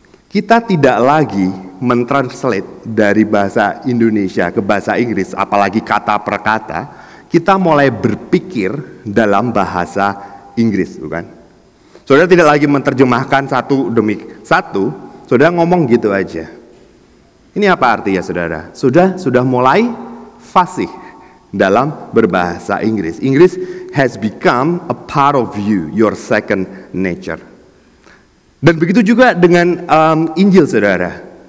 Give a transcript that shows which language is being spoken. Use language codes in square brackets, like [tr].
[id] Kita tidak lagi mentranslate dari bahasa Indonesia ke bahasa Inggris, apalagi kata per kata, kita mulai berpikir dalam bahasa Inggris, bukan? Saudara tidak lagi menerjemahkan satu demi satu, saudara ngomong gitu aja. Ini apa artinya, saudara? Sudah mulai fasih dalam berbahasa Inggris. [en] Inggris has become a part of you, your second nature. [id] Dan begitu juga dengan Injil, saudara.